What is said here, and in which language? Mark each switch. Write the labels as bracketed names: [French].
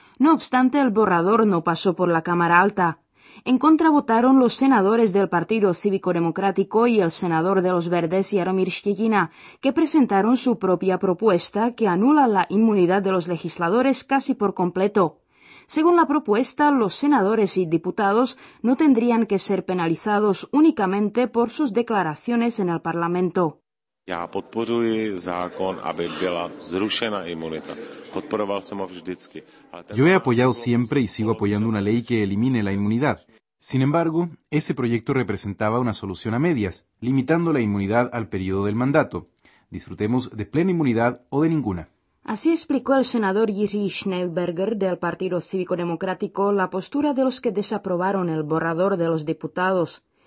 [Spanish] No obstante, el borrador no pasó por la Cámara Alta. En contra votaron los senadores del Partido Cívico Democrático y el senador de los Verdes, Jaromír Szczegina, que presentaron su propia propuesta que anula la inmunidad de los legisladores casi por completo. Según la propuesta, los senadores y diputados no tendrían que ser penalizados únicamente por sus declaraciones en el Parlamento. [Czech] Já podporuji zákon, aby byla zrušena imunita. Podporoval jsem ho vždycky. [Spanish] Yo he apoyado siempre y sigo apoyando una ley que elimine la inmunidad. Sin embargo, ese proyecto representaba una solución a medias, limitando la inmunidad al periodo del mandato. Disfrutemos de plena inmunidad o de ninguna. Así explicó el senador Jiří Schneeberger del Partido Cívico Democrático la postura de los que desaprobaron el borrador de los diputados.